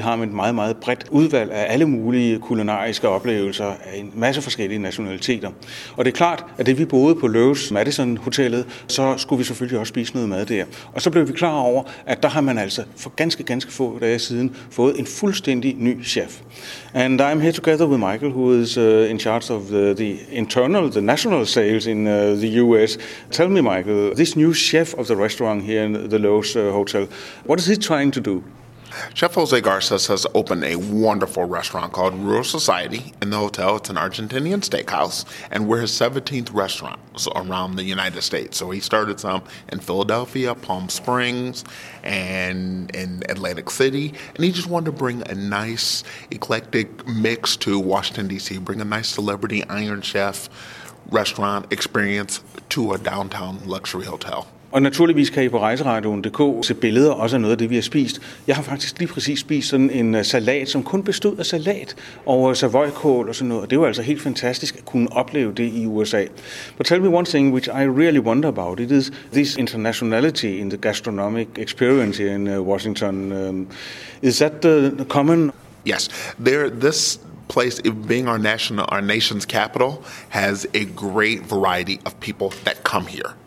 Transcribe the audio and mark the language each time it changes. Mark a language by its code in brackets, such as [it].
[da] har man et meget, meget bredt udvalg af alle mulige kulinariske oplevelser af en masse forskellige nationaliteter. Og det er klart, at det vi boede på Lewis Madison Hotellet, så skulle vi selvfølgelig også spise noget mad der. Og så blev vi klar over, at der har man altså for ganske, ganske få dage siden fået en fuldstændig ny chef. [en] And I'm here together with Michael, who is in charge of the internal, the national sales in the U.S. Tell me, Michael, this new chef of the restaurant here in the Lowe's Hotel, what is he trying to do? Chef Jose Garces has opened a wonderful restaurant called Rural Society in the hotel. It's an Argentinian steakhouse, and we're his 17th restaurant around the United States. So he started some in Philadelphia, Palm Springs, and in Atlantic City. And he just wanted to bring a nice, eclectic mix to Washington, D.C., bring a nice celebrity Iron Chef restaurant experience to a downtown luxury hotel. [da] Og naturligvis kan I på rejseradioen.dk se billeder også af noget af det, vi har spist. Jeg har faktisk lige præcis spist sådan en salat, som kun bestod af salat og savoykål og sådan noget. Og det var altså helt fantastisk at kunne opleve det i USA. [en] But tell me one thing which I really wonder about. It is this internationality in the gastronomic experience here in Washington. Is that the common? Yes. This place, being our nation's capital, has a great variety of people that come here.